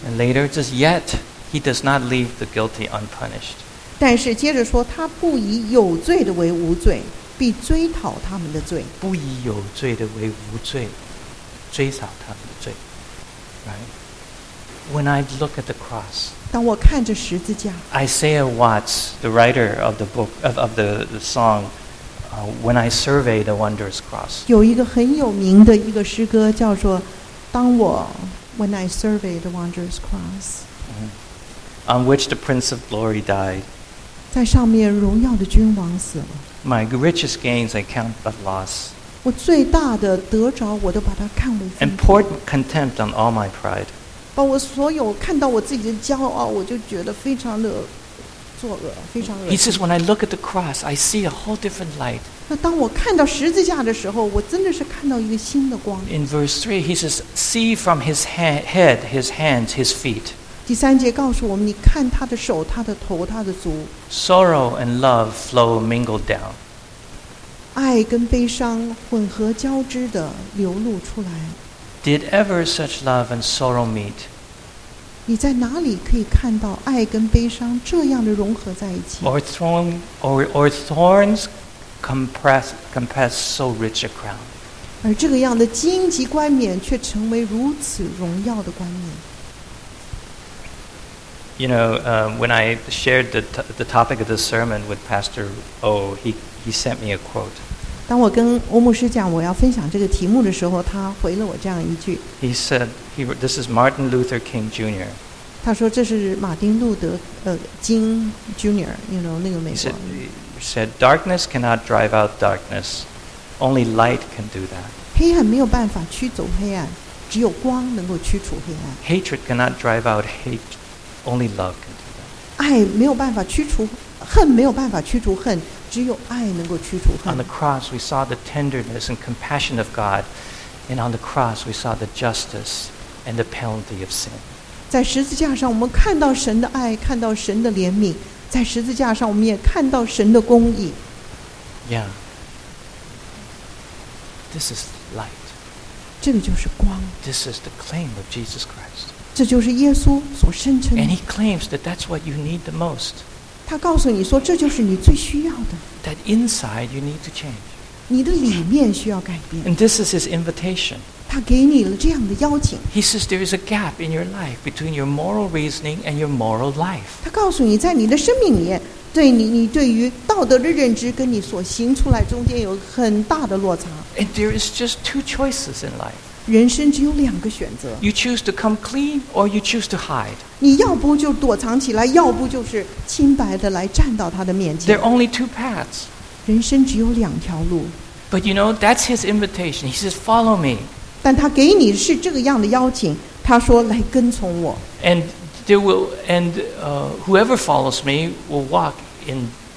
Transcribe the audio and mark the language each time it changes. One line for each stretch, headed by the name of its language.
English: And later, it says, yet he does not leave the guilty unpunished.
Chinese: 但是接着说，他不以有罪的为无罪。必追讨他们的罪，不以有罪的为无罪，追讨他们的罪。
English: Right? When I look at the cross,
Chinese: 当我看着十字架
English: ，Isaiah Watts, the writer of the book of the song, when I survey the wondrous cross,
Chinese: 有一个很有名的一个诗歌叫做《当我》，
English: When I survey the wondrous cross, on which the Prince of Glory died,
Chinese: 在上面荣耀的君王死了。
English: My richest gains I count but loss.
Chinese: 我最大的得着我都把它看为。
English: And poured contempt on all my pride.
Chinese: 把我所有看到我自己的骄傲，我就觉得非常的作恶，非常恶心。
English: He says, "When I look at the cross, I see a whole different light."
Chinese: 那当我看到十字架的时候，我真的是看到一个新的光。
English: In verse 3, he says, "See from his head, his hands, his feet."
Chinese: 第三节告诉我们，你看他的手、他的头、他的足。
English: Sorrow and love flow mingled down.
Chinese: 爱跟悲伤混合交织的流露出来。
English: Did ever such love and sorrow meet?
Chinese: 你在哪里可以看到爱跟悲伤这样的融合在一起？
English: Or thorns compass so rich a crown.
Chinese: 而这个样的荆棘冠冕却成为如此荣耀的冠冕。
English: You know, when I shared the topic of the sermon with Pastor Oh, he sent me a quote.
Chinese: 当我跟欧牧师讲我要分享这个题目的时候，他回了我这样一句。
English: He said, "This is Martin Luther King Jr."
Chinese: 他说这是马丁路德金 Jr.
English: You know,
Chinese: 那个美国。
English: He said, "Darkness cannot drive out darkness; only light can do that."
Chinese: 黑暗没有办法驱走黑暗，只有光能够驱除黑暗。
English: Hatred cannot drive out hate. Only love can do that.
Chinese: 爱没有办法驱除恨，没有办法驱除恨，只有爱能够驱除恨。
English: On the cross, we saw the tenderness and compassion of God, and on the cross, we saw the justice and the penalty of sin.
Chinese: 在十字架上，我们看到神的爱，看到神的怜悯。在十字架上，我们也看到神的公义。
English: Yeah. This is light.
Chinese: 这个就是光。
English: This is the claim of Jesus Christ.
Chinese: 这就是耶稣所声称的。
English: And he claims that that's what you need the most.
Chinese: 他告诉你说，这就是你最需要的。
English: That inside you need to change.
Chinese: 你的里面需要改变。
English: And this is his invitation.
Chinese: 他给你了这样的邀请。
English: He says there is a gap in your life between your moral reasoning and your moral life.
Chinese: 他告诉你，在你的生命里面，对你，你对于道德的认知跟你所行出来中间有很大的落差。
English: And there is just two choices in life.
Chinese: 人生只有两个选择。
English: You choose to come clean, or you choose to hide.
Chinese: 你要不就躲藏起来，要不就是清白的来站到他的面前。
English: There are only two paths.
Chinese: 人生只有两条路。
English: But you know, that's his invitation. He says, "Follow me."
Chinese: 但他给你是这个样的邀请。他说，来跟从我。
English: And there will, and whoever follows me will walk in.